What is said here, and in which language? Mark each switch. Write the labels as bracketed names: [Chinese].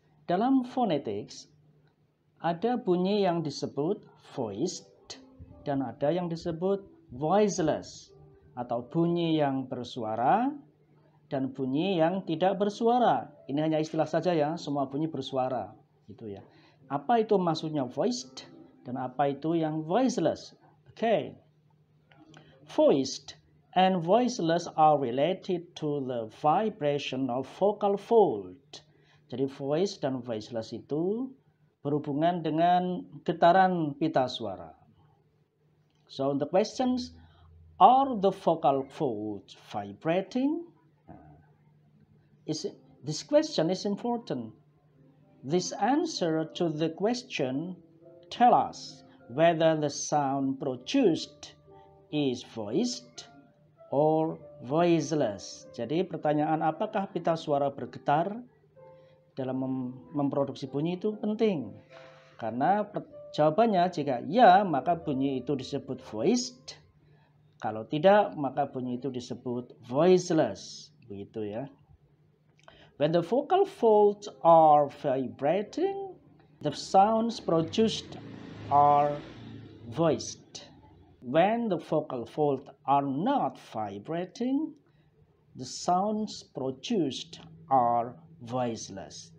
[Indonesian] Dalam phonetics, ada bunyi yang disebut voiced dan ada yang disebut voiceless atau bunyi yang bersuara dan bunyi yang tidak bersuara. Ini hanya istilah saja ya, semua bunyi bersuara gitu ya. Apa itu maksudnya voiced dan apa itu yang voiceless? [English] Okay. Voiced and voiceless are related to the vibration of vocal fold. [Indonesian] Jadi voiced dan voiceless itu berhubungan dengan getaran pita suara. [English] So the questions, are the vocal folds vibrating? This question is important. This answer to the question tell us whether the sound produced is voiced or voiceless. [Indonesian] Jadi pertanyaan apakah pita suara bergetar dalam memproduksi bunyi itu penting. Karena jawabannya jika ya maka bunyi itu disebut voiced. Kalau tidak maka bunyi itu disebut voiceless. Begitu ya. [English] When the vocal folds are vibrating, the sounds produced are voiced. When the vocal folds are not vibrating, the sounds produced are voiceless.